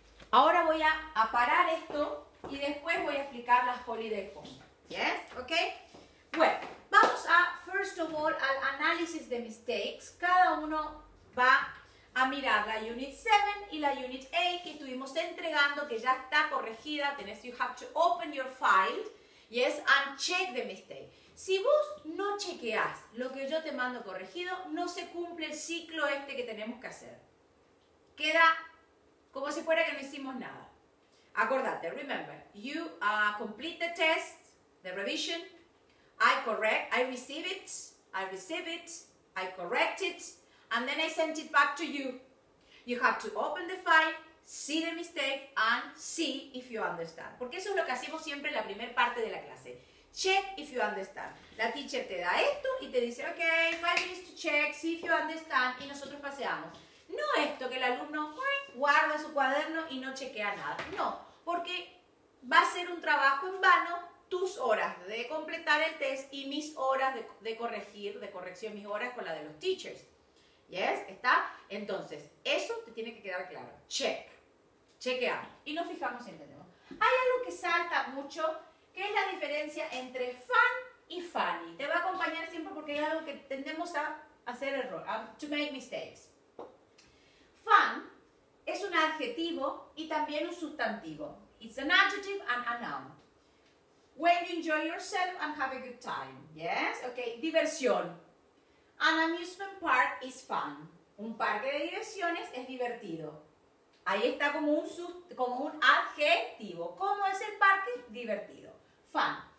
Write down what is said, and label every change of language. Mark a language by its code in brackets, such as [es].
[es] Ahora voy a parar esto y después voy a explicar las holiday comas, ¿yes? ¿Ok? Bueno, vamos a, [en] first of all, [es] al análisis de mistakes. Cada uno va a mirar la Unit 7 y la Unit 8 que estuvimos entregando, que ya está corregida. Tenés, [en] you have to open your file, yes, and check the mistake. [es] Si vos no chequeás lo que yo te mando corregido, no se cumple el ciclo este que tenemos que hacer. Queda como si fuera que no hicimos nada. Acordate, [en] remember, you complete the test, the revision, I correct, I receive it, I correct it, and then I send it back to you. You have to open the file, see the mistake, and see if you understand. [es] Porque eso es lo que hacemos siempre en la primera parte de la clase. [en] Check if you understand. [es] La teacher te da esto y te dice, ok, [en] 5 minutes to check, see if you understand, [es] y nosotros paseamos. No esto que el alumno guarda su cuaderno y no chequea nada. No, porque va a ser un trabajo en vano tus horas de completar el test y mis horas de corrección, mis horas con la de los teachers. ¿Yes? ¿Está? Entonces, eso te tiene que quedar claro. Check. Chequeamos. Y nos fijamos si entendemos. Hay algo que salta mucho, que es la diferencia entre fun y funny. Te va a acompañar siempre porque hay algo que tendemos a hacer error, [en] to make mistakes. [es] Fun es un adjetivo y también un sustantivo. [en] It's an adjective and a noun. When you enjoy yourself and have a good time. Yes? Okay. [es] Diversión. [en] An amusement park is fun. [es] Un parque de diversiones es divertido. Ahí está como un adjetivo. ¿Cómo es el parque? Divertido. Fun.